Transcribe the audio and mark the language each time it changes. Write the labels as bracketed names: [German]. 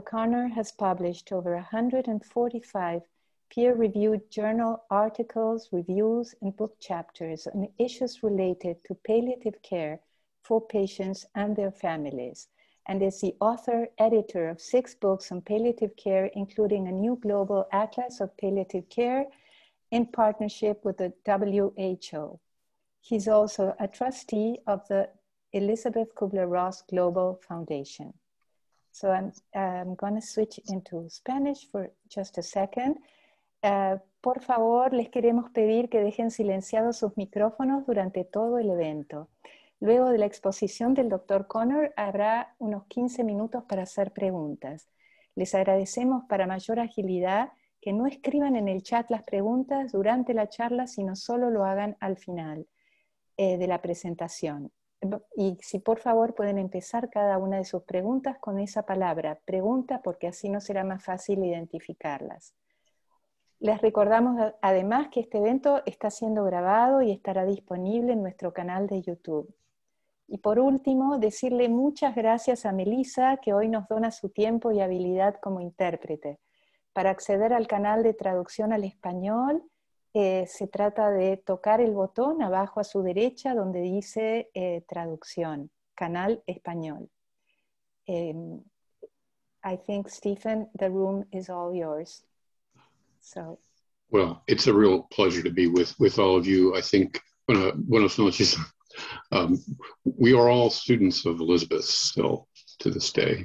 [English] Connor has published over 145 peer-reviewed journal articles, reviews, and book chapters on issues related to palliative care for patients and their families, and is the author, editor of six books on palliative care, including a new global atlas of palliative care in partnership with the WHO. He's also a trustee of the Elisabeth Kübler-Ross Global Foundation. So I'm gonna switch into Spanish for just a second. [Spanish] Por favor, les queremos pedir que dejen silenciados sus micrófonos durante todo el evento. Luego de la exposición del Dr. Connor, habrá unos 15 minutos para hacer preguntas. Les agradecemos para mayor agilidad que no escriban en el chat las preguntas durante la charla, sino solo lo hagan al final de la presentación. Y si por favor pueden empezar cada una de sus preguntas con esa palabra, pregunta, porque así nos será más fácil identificarlas. Les recordamos además que este evento está siendo grabado y estará disponible en nuestro canal de YouTube. Y por último, decirle muchas gracias a Melissa, que hoy nos dona su tiempo y habilidad como intérprete. Para acceder al canal de traducción al español, se trata de tocar el botón abajo a su derecha donde dice traducción, canal español. [English] I think, Stephen, the room is all yours. Well, it's a real pleasure to be with all of you. I think, [Spanish] buenas noches. [English] We are all students of Elisabeth still to this day.